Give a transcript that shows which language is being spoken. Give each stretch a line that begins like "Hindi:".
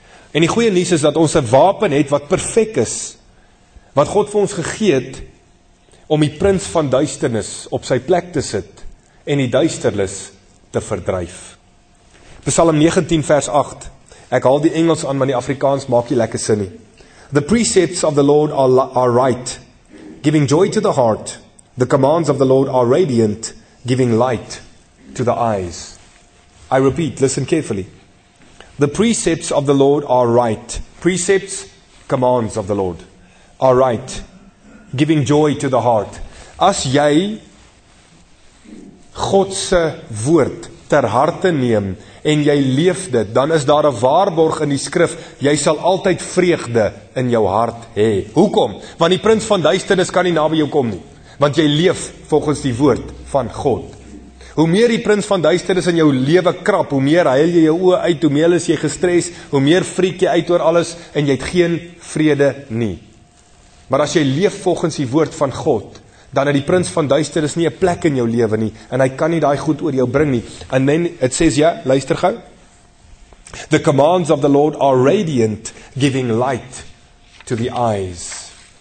Afrikaans: En die goeie nuus is dat ons 'n wapen het wat perfek is, wat God vir ons gegee het om die prins van duisternis op sy plek te sit en die duisternis te verdryf. Psalm 19 vers 8. Ek haal die Engels aan, maar die Afrikaans maak nie lekker sin nie.
English: The precepts of the Lord are right, giving joy to the heart. The commands of the Lord are radiant, giving light to the eyes. I repeat, listen carefully. The precepts of the Lord are right. Precepts, commands of the Lord, are right, giving joy to the heart.
Afrikaans: As jy God se woord ter harte neem en jy leef dit, dan is daar 'n waarborg in die skrif, jy sal altyd vreugde in jou hart hê. Hoekom? Want die prins van duisternis kan nie naby jou kom nie, want jy leef volgens die woord van God. Hoe meer die prins van duisternis in jou lewe krap, hoe meer huil jy jou oë uit, hoe meer is jy gestres, hoe meer friek jy uit oor alles en jy het geen vrede nie. Maar as jy leef volgens die woord van God, dan het die prins van duisternis nie 'n plek in jou lewe nie en hy kan nie daai goed oor jou bring nie.
English: And then it says,
Afrikaans: ja, luister gou.
English: The commands of the Lord are radiant, giving light to the eyes.